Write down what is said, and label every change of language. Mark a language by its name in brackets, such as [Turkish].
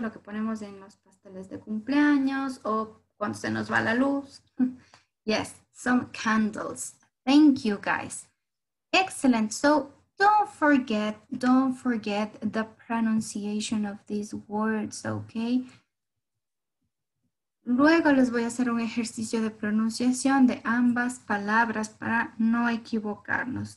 [Spanish] Lo que ponemos en los pasteles de cumpleaños o cuando se nos va la luz. [English] Yes, some candles. Thank you, guys. Excellent. So, don't forget the pronunciation of these words, okay? [Spanish] Luego les voy a hacer un ejercicio de pronunciación de ambas palabras para no equivocarnos.